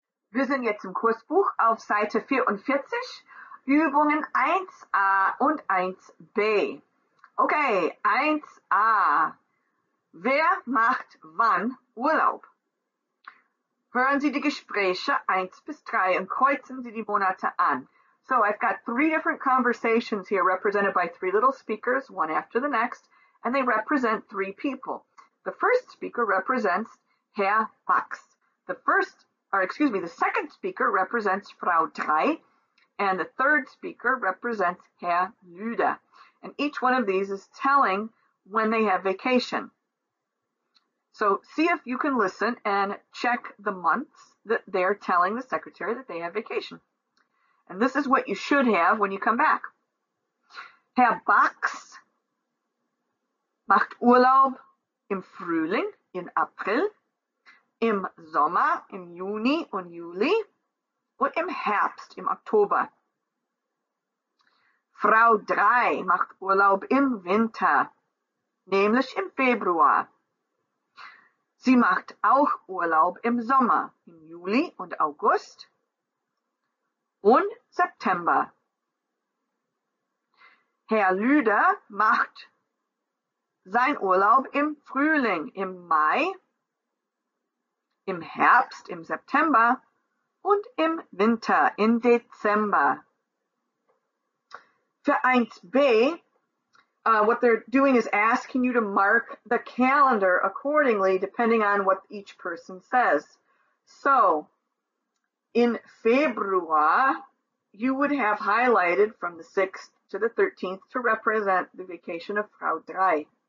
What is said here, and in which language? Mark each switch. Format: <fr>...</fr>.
<de>Wir sind jetzt im Kursbuch auf Seite 44, Übungen 1a und 1b. Okay, 1a. Wer macht wann Urlaub? Hören Sie die Gespräche 1 bis 3 und kreuzen Sie die Monate an.</de> <en>So, I've got three different conversations here represented by three little speakers, one after the next, and they represent three people. The first speaker represents Herr Fox. The second speaker represents Frau Drei, and the third speaker represents Herr Lüde. And each one of these is telling when they have vacation. So see if you can listen and check the months that they're telling the secretary that they have vacation. And this is what you should have when you come back.</en> <de>Herr Fox macht Urlaub im Frühling, in April, im Sommer, im Juni und Juli und im Herbst, im Oktober. Frau Drei macht Urlaub im Winter, nämlich im Februar. Sie macht auch Urlaub im Sommer, im Juli und August und September. Herr Lüde macht sein Urlaub im Frühling, im Mai, im Herbst, im September und im Winter, im Dezember.</de> <en>Für 1b, what they're doing is asking you to mark the calendar accordingly, depending on what each person says. So, in Februar, you would have highlighted from the 6th to the 13th to represent the vacation of Frau Drei.</en>